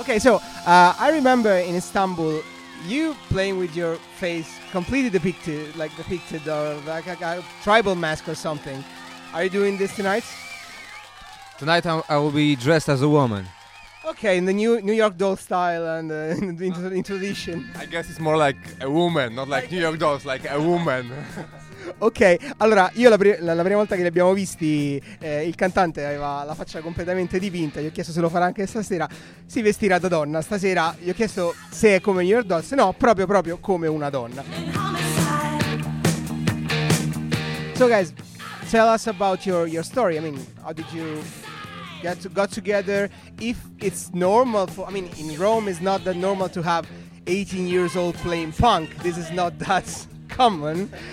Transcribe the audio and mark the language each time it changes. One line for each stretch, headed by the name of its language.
English: Okay, so I remember in Istanbul, you playing with your face completely depicted, or like a tribal mask or something. Are you doing this tonight? Tonight I will be dressed as a woman. Okay, in the New York Doll style and in tradition. I guess it's more like a woman, not like New York Dolls, like a woman.
Italian: Ok, allora io la prima volta che li abbiamo visti, il cantante aveva la faccia completamente dipinta. Gli ho chiesto se lo farà anche stasera. Si vestirà da donna stasera. Gli ho chiesto se è come New York Dolls. No, proprio come una donna.
English: So guys, tell us about your story. I mean, how did you got together? If it's normal for, I mean, in Rome it's not that normal to have 18 years old playing punk. This is not that common.